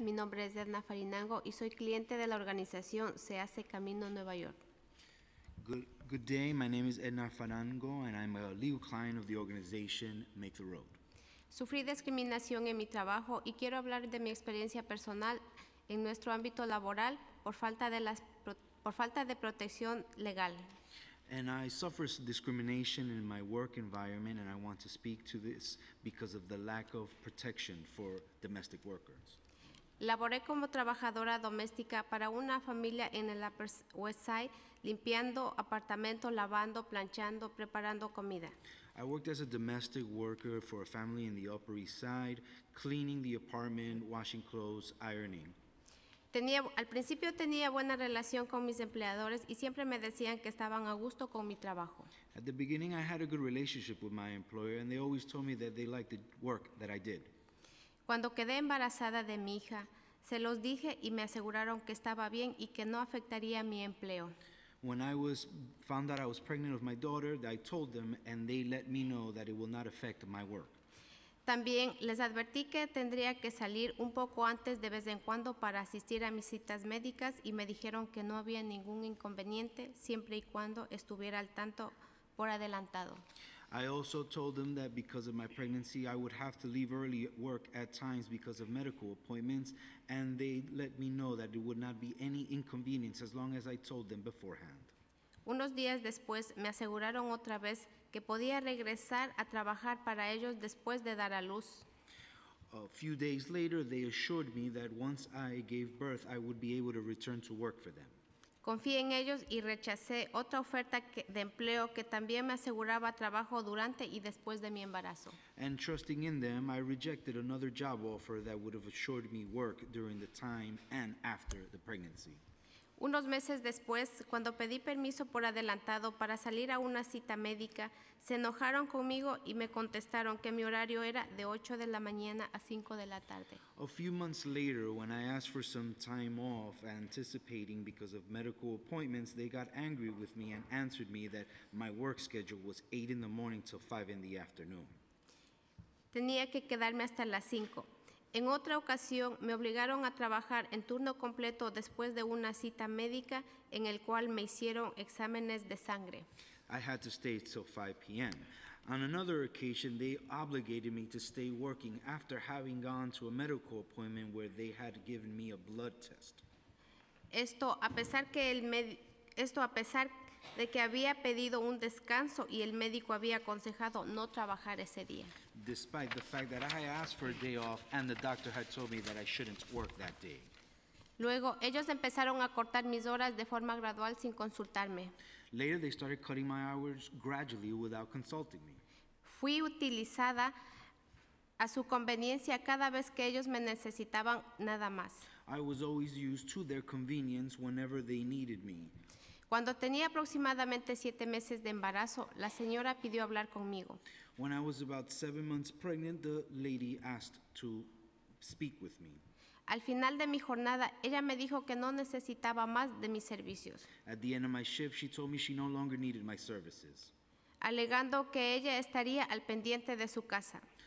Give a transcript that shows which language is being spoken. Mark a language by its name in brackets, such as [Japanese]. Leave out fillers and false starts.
[Spanish] Mi nombre es Edna Farinango y soy cliente de la organización Se Hace Camino Nueva York. [English] Good day. My name is Edna Farinango and I'm a legal client of the organization Make the Road. [Spanish] Sufrí discriminación en mi trabajo y quiero hablar de mi experiencia personal en nuestro ámbito laboral por falta de protección legal. [English] And I suffer discrimination in my work environment, and I want to speak to this because of the lack of protection for domestic workers. [Spanish] Laboré como trabajadora doméstica para una familia en el Upper West Side, limpiando apartamentos, lavando, planchando, preparando comida. [English] I worked as a domestic worker for a family in the Upper East Side, cleaning the apartment, washing clothes, ironing. [Spanish] Al principio tenía buena relación con mis empleadores y siempre me decían que estaban a gusto con mi trabajo. [English] At the beginning, I had a good relationship with my employer, and they always told me that they liked the work that I did. [Spanish] Cuando quedé embarazada de mi hija, se los dije y me aseguraron que estaba bien y que no afectaría mi empleo. [English] When I found out I was pregnant of my daughter, I told them, and they let me know that it will not affect my work. [Spanish] También les advertí que tendría que salir un poco antes de vez en cuando para asistir a mis citas médicas y me dijeron que no había ningún inconveniente siempre y cuando estuviera al tanto por adelantado. [English] I also told them that because of my pregnancy, I would have to leave early at work at times because of medical appointments, and they let me know that it would not be any inconvenience as long as I told them beforehand. [Spanish] Unos días después, me aseguraron otra vez que podía regresar a trabajar para ellos después de dar a luz. [English] A few days later, they assured me that once I gave birth, I would be able to return to work for them. [Spanish] Confié en ellos y rechacé otra oferta de empleo que también me aseguraba trabajo durante y después de mi embarazo. [English] And trusting in them, I rejected another job offer that would have assured me work during the time and after the pregnancy. [Spanish] Unos meses después, cuando pedí permiso por adelantado para salir a una cita médica, se enojaron conmigo y me contestaron que mi horario era de 8 de la mañana a 5 de la tarde. [English] A few months later, when I asked for some time off, anticipating because of medical appointments, they got angry with me and answered me that my work schedule was 8 in the morning till 5 in the afternoon. [Spanish] Tenía que quedarme hasta las 5. En otra ocasión, me obligaron a trabajar en turno completo después de una cita médica en el cual me hicieron exámenes de sangre. [English] I had to stay till 5 p.m. On another occasion, they obligated me to stay working after having gone to a medical appointment where they had given me a blood test. [Spanish] Esto a pesar de que había pedido un descanso y el médico había aconsejado no trabajar ese día. [English] Despite the fact that I asked for a day off and the doctor had told me that I shouldn't work that day. [Spanish] Luego, ellos empezaron a cortar mis horas de forma gradual sin consultarme. [English] Later, they started cutting my hours gradually without consulting me. [Spanish] Fui utilizada a su conveniencia cada vez que ellos me necesitaban nada más. [English] I was always used to their convenience whenever they needed me. [Spanish] Cuando tenía aproximadamente 7 meses de embarazo, la señora pidió hablar conmigo. [English] When I was about 7 months pregnant, the lady asked to speak with me. [Spanish] Al final de mi jornada, ella me dijo que no necesitaba más de mis servicios. [English] At the end of my shift, she told me she no longer needed my services. [Spanish] Alegando que ella estaría al pendiente de su casa.